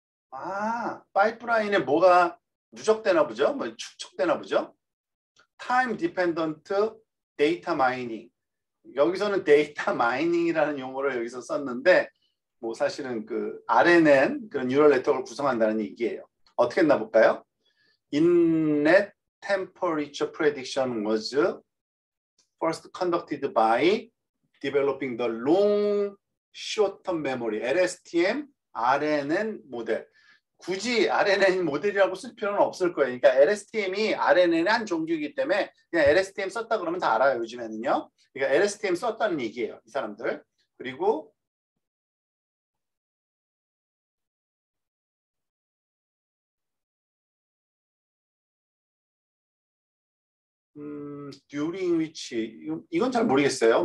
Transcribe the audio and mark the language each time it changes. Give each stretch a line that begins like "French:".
Korean: 아, 파이프라인에 뭐가 누적되나 보죠? 뭐 축적되나 보죠?
English: Time dependent data mining.
Korean: 여기서는 데이터 마이닝이라는 용어를 여기서 썼는데, 뭐 사실은 그 RNN, 그런 뉴럴 네트워크를 구성한다는 얘기예요. 어떻게 했나 볼까요?
English: Inlet temperature prediction was first conducted by developing the long short-term memory, LSTM RNN 모델.
Korean: 굳이 RNN 모델이라고 쓸 필요는 없을 거예요. 그러니까 LSTM이 RNN의 한 종류이기 때문에 그냥 LSTM 썼다 그러면 다 알아요, 요즘에는요. 그러니까 LSTM 썼다는 얘기예요, 이 사람들. 그리고
English: during which
Korean: 이건 잘 모르겠어요.